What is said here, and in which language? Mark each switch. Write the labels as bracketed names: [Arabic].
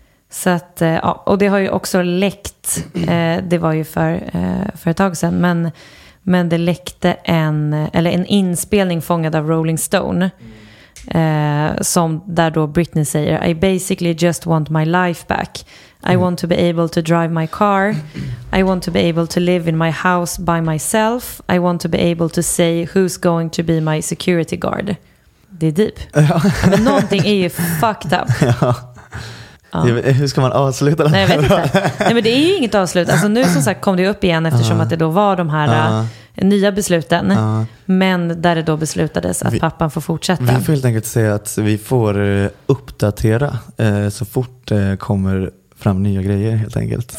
[Swedish] Så att, ja, och det har ju också läckt, det var ju för ett tag sedan, men det läckte en inspelning fångad av Rolling Stone. Som där då Britney säger, [English] I basically just want my life back. I want to be able to drive my car. I want to be able to live in my house by myself. I want to be able to say who's going to be my security guard. [Swedish] Det är deep. Men någonting är ju fucked up. Ja. Hur ska man avsluta det? Nej, jag vet inte. Nej, men det är ju inget avslut. Alltså, nu som sagt kom det upp igen eftersom att det då var de här nya besluten. Men där det då beslutades att pappan får fortsätta. Vi får helt enkelt säga att vi får uppdatera så fort det kommer fram nya grejer helt enkelt.